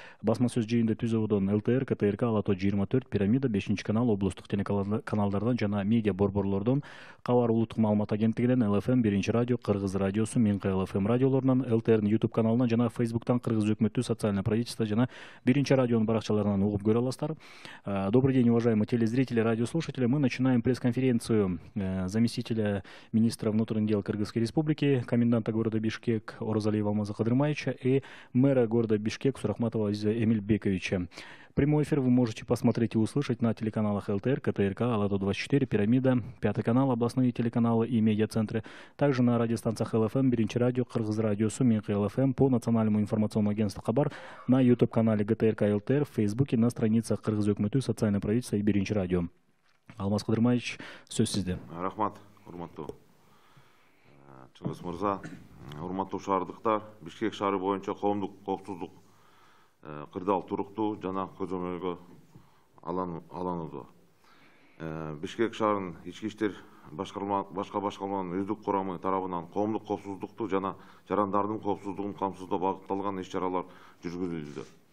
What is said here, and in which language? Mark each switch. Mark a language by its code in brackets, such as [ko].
[ky] Басма сөз жыйынында түзөөдөн ЛТР, КТРК, Алатоо 24, Пирамида, 5-канал, облустук телеканалдардан жана медиа борборлордон кабар улуттук маалымат агенттигинен, ЛФМ, Биринчи радио, Кыргыз радиосу, МКЛФМ радиолорунан, ЛТРнин YouTube каналынан жана Facebooктан Кыргыз өкмөттүү [ru] социальный правительство [ky] жана Биринчи радионун баракчаларынан угуп көрө аласыздар. [ru] Добрый день, уважаемые телезрители, радиослушатели. Мы начинаем пресс-конференцию заместителя министра внутренних дел Кыргызской республики, коменданта города Бишкек Орозалиева Алмаза Кыдырмаевича и мэра города Бишкек Сурахматова Азиза Эмилбековича. Прямой эфир вы можете посмотреть и услышать на телеканалах ЛТР, КТРК, Алатоо-24, Пирамида, 5-канал, областные телеканалы и медиа-центры. Также на радиостанциях ЛФМ, Биринчи радио, Кыргыз радиосу, МКЛФМ, по Национальному информационному агентству Хабар, на YouTube-канале ГТРК ЛТР, в Фейсбуке, на страницах Кыргыз Өкмөтү, социальное правительство и Биринчи радио. [ky] Алмаз Кыдырмаевич, сөз сизде. Рахмат, урматтуу. Чыгыз мырза, урматтуу шаардыктар, Бишкек шаары боюнча коомдук коопсуздук кырдаал туруктуу жана көзөмөлгө алынууда. Бишкек шаарынын ички иштер башкармасынын үздүк курамы тарабынан коомдук коопсуздукту жана жарандардын коопсуздугун камсыздоо багытталган иш-чаралар жүргүзүлдү.